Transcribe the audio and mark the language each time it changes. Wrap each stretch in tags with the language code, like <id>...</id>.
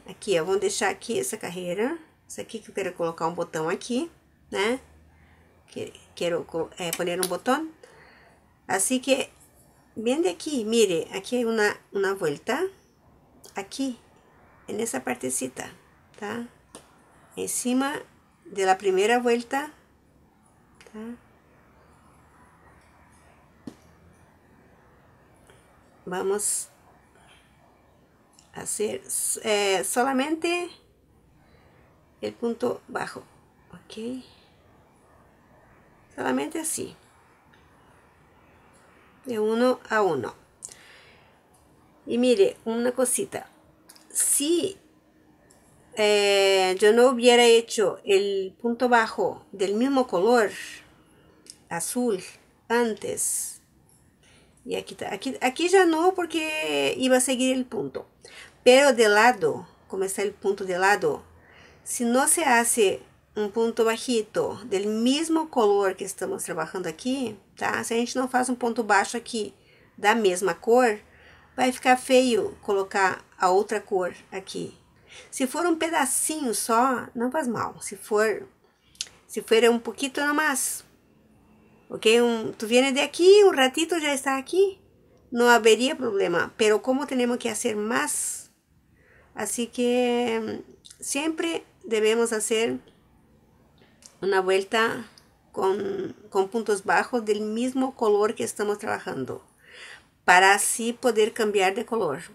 <pt>Aqui, eu vou deixar aqui essa carreira. Isso aqui que eu quero colocar um botão aqui, né? Quero poner um botão.</pt> <es>Así que, bien de aquí, mire, aquí hay una vuelta, aquí, en esa partecita, ¿tá? Encima de la primera vuelta, ¿tá? Vamos a hacer solamente el punto bajo, ¿ok? Solamente así. De uno a uno. Y mire, una cosita. Si yo no hubiera hecho el punto bajo del mismo color azul antes. Y aquí está. Aquí ya no porque iba a seguir el punto. Pero de lado, como está el punto de lado, si no se hace un punto bajito del mismo color que estamos trabajando aquí, tá?</es> <pt>Se a gente não faz ponto baixo aqui da mesma cor, vai ficar feio colocar a outra cor aqui. Se for pedacinho só, não faz mal.</pt> <es>Se for poquito no más, ok?</es> <pt>Tu viene de aqui, ratito já está aqui, não haveria problema.</pt> <es>Pero como tenemos que hacer más, así que siempre debemos hacer una vuelta con puntos bajos del mismo color que estamos trabajando para así poder cambiar de color.</es>